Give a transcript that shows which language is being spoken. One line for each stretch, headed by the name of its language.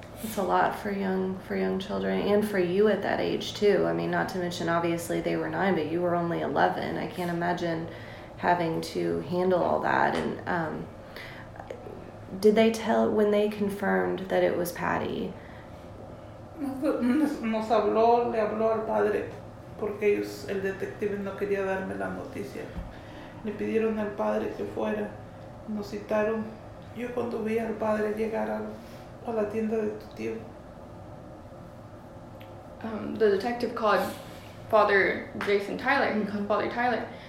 English: It's a lot for young children, and for you at that age too. I mean, not to mention obviously they were 9, but you were only 11. I can't imagine having to handle all that. And did they tell when they confirmed that it was Patty?
Spanish: Nos habló, le habló al padre, porque ellos, el detective no quería darme la noticia. Le pidieron al padre que fuera, nos citaron. Yo cuando vi al padre llegar a la tienda de tu tío.
English: The detective called Father Jason Tyler, he called Father Tyler.